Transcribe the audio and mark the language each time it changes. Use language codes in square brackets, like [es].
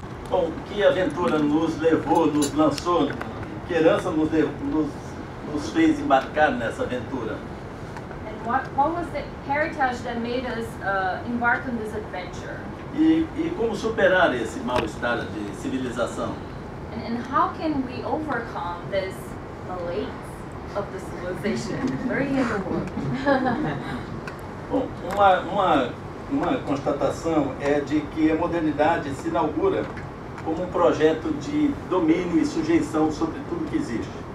[pt] Bom, que aventura nos levou, nos lançou, que herança nos fez embarcar nessa aventura? [en] What was the heritage that made us embark on this adventure? [pt] E como superar esse mal-estar de civilização? [en] And how can we overcome this malaise of the civilization? Very important. [pt] Bom, uma constatação é de que a modernidade se inaugura como um projeto de domínio e sujeição sobre tudo que existe.